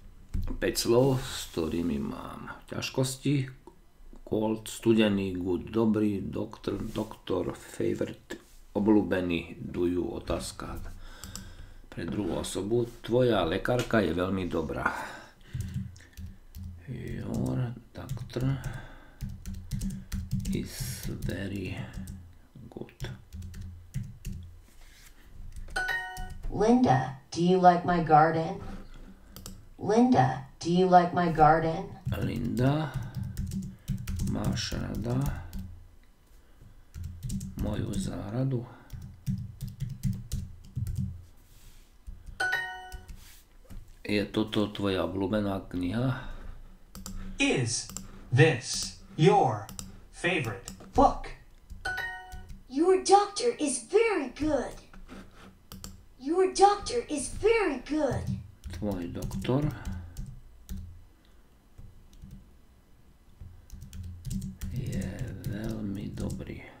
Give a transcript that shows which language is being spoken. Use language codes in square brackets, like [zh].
[sk] 5 slov, s ktorými mám ťažkosti. Cold, studený, good, dobrý, doktor, favorite, obľúbený, [en] do you, [sk] otázka. Pre druhú osobu, tvoja lekárka je veľmi dobrá. [en] Your doctor is very good. Linda, do you like my garden? Linda, do you like my garden? [sk] Linda, máš rada moju záhradu? Je toto tvoja obľúbená kniha? [en] Is this your favorite book? Your doctor is very good. Your doctor is very good. [sk] Tvoj doktor je veľmi dobrý.